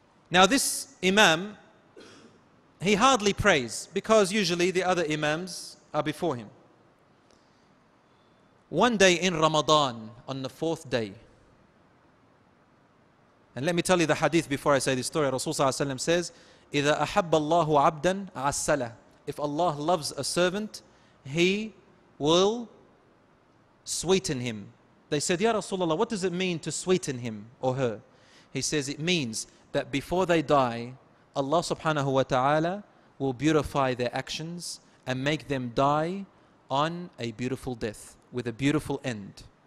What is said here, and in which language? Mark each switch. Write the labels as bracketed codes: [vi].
[en] Now this imam, he hardly prays, because usually the other imams are before him. One day in Ramadan, on the fourth day, and let me tell you the hadith before I say this story. Rasulullah ﷺ says, [ar] إِذَا أَحَبَّ اللَّهُ عَبْدًا عَسَّلَهُ. [en] If Allah loves a servant, He will sweeten him. They said, Ya Rasulullah, what does it mean to sweeten him or her? He says, it means that before they die, Allah subhanahu wa ta'ala will beautify their actions and make them die on a beautiful death with a beautiful end.